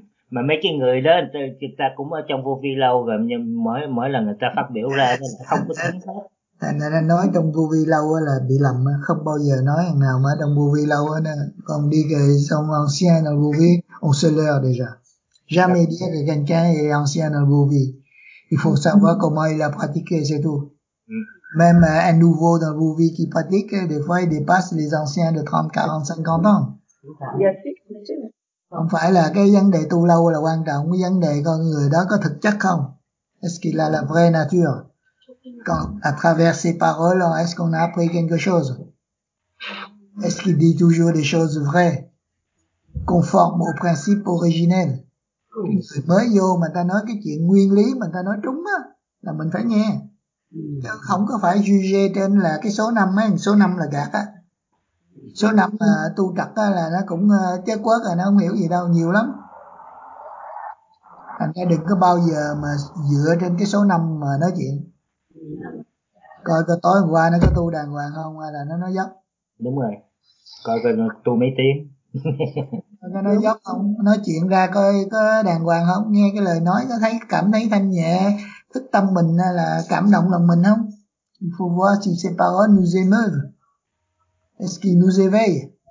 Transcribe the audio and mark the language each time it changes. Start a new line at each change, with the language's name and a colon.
Vietnamese: Mà mấy cái người đó người ta cũng ở trong vô vi lâu rồi, nhưng mỗi lần người ta phát biểu ra nên không có tính hết. Nó nói trong vô vi lâu là bị lầm, không bao giờ nói thằng nào mà trong vô vi lâu nè, còn đi về trong
French: ancien dans vô vi on se leurre déjà. Jamais dire que quelqu'un est ancien dans vô vi. Il faut savoir comment il a pratiqué, c'est tout. Même un nouveau dans vô vi qui pratique, des fois il dépasse les anciens de 30, 40, 50 ans.
Vietnamese: Không phải là cái vấn đề tu lâu là quan trọng, cái vấn đề con người đó có thực chất không?
French: Est-ce qu'il a la vraie nature? Quand, à travers ses paroles, est-ce qu'on a appris quelque chose? Est-ce qu'il dit toujours des choses vraies, conformes aux principes originels?
Vietnamese: Người mới vô mà ta nói cái chuyện nguyên lý mà ta nói trúng á, là mình phải nghe. Không có phải juger trên là cái số năm á, số năm là gạt á. Số năm tu tập á là nó cũng chết quốc rồi, nó không hiểu gì đâu, nhiều lắm. Anh em đừng có bao giờ mà dựa trên cái số năm mà nói chuyện. Coi tối hôm qua nó có tu đàng hoàng không hay là nó nói dốc. Đúng rồi, coi nó tu mấy tiếng. Nó nói dốc không, nói chuyện ra coi có đàng hoàng không, nghe cái lời nói có thấy cảm thấy thanh nhẹ, thức tâm mình hay là cảm động lòng mình không?
French: Il faut voir si ses paroles nous émeuvent. Est-ce qu'il nous éveille?